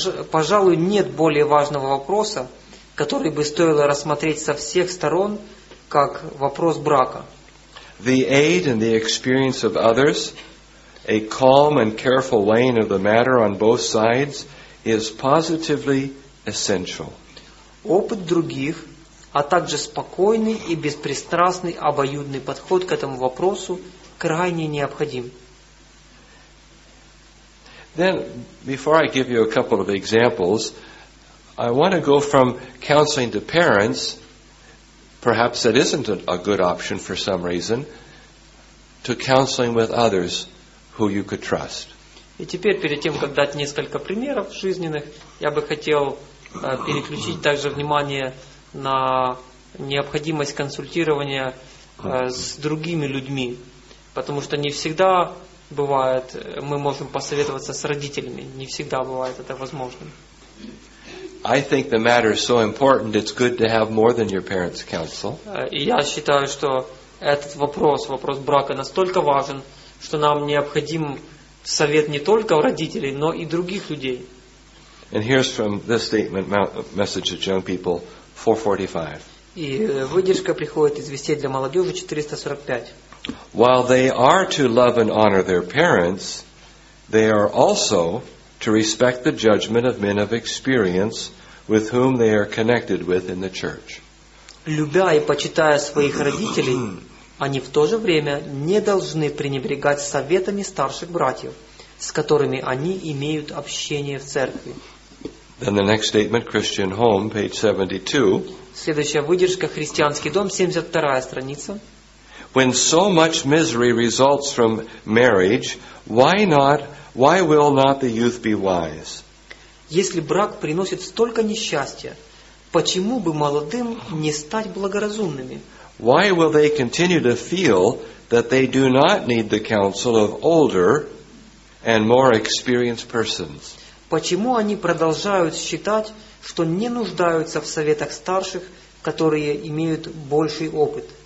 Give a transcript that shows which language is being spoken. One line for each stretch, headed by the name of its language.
Russian: Пожалуй, нет более важного вопроса, который бы стоило рассмотреть со всех сторон, как вопрос брака.
English: The aid and the experience of others, a calm and careful weighing of the matter on both sides, is positively essential.
Russian: Опыт других, а также спокойный и беспристрастный обоюдный подход к этому вопросу крайне необходим.
English: Then, before I give you a couple of examples, I want to go from counseling to parents, perhaps that isn't a good option for some reason, to counseling with others who you could trust.
Russian: И теперь, перед тем, как дать несколько примеров жизненных, я бы хотел переключить также внимание на необходимость консультирования с другими людьми, потому что не всегда бывает, мы можем посоветоваться с родителями, не всегда бывает это возможным.
English: I think the matter is so important, it's good to have more than your parents' counsel.
Russian: И я считаю, что этот вопрос, вопрос брака, настолько важен, что нам необходим совет не только родителей, но и других людей.
English: And here's from this statement, message of young people, 445.
Russian: И выдержка приходит из «Вестей для молодежи» 445.
English: While they are to love and honor their parents, they are also to respect the judgment of men of experience with whom they are connected with in the church.
Russian: Любя и почитая своих родителей, они в то же время не должны пренебрегать советами старших братьев, с которыми они имеют общение в церкви.
English: Then the next statement, Christian Home, page 72.
Russian: Следующая выдержка, Христианский дом, 72-я страница.
English: When so much misery results from marriage, why will not the youth be wise?
Russian: Если брак приносит столько несчастья, почему бы молодым не стать благоразумными?
English: Why will they continue to feel that they do not need the counsel of older and more experienced persons?
Russian: Почему они продолжают считать, что не нуждаются в советах старших, которые имеют больший опыт?